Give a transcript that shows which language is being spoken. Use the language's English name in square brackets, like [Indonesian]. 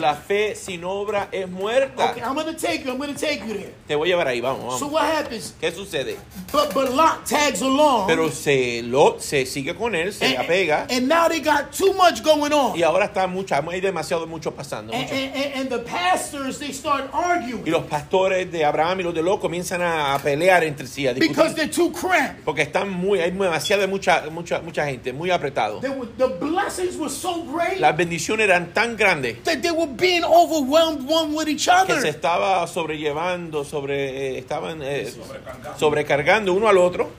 [Spanish] La fe sin obra es muerta. [English] Okay, I'm going to take you there. [Spanish] Te voy a llevar ahí, vamos. [English] So what happens? [Spanish] ¿Qué sucede? [English] But Lot tags along. [Spanish] Pero se sigue con él, se apega. [English] And now they got too much going on. [Spanish] Y ahora está mucho pasando. [English] And the pastors, they start arguing. [Spanish] Y los pastores de Abraham y los de Lot comienzan a pelear entre sí. A [English] Because they're too cramped. [Spanish] Porque están hay demasiado mucha gente, muy apretado. [English] The blessings were so great. [Spanish] Las bendiciones eran tan grandes. [English] That they were being overwhelmed one with each other. [Spanish] Que se estaba sobrellevando, estaban sobrecargando uno al otro.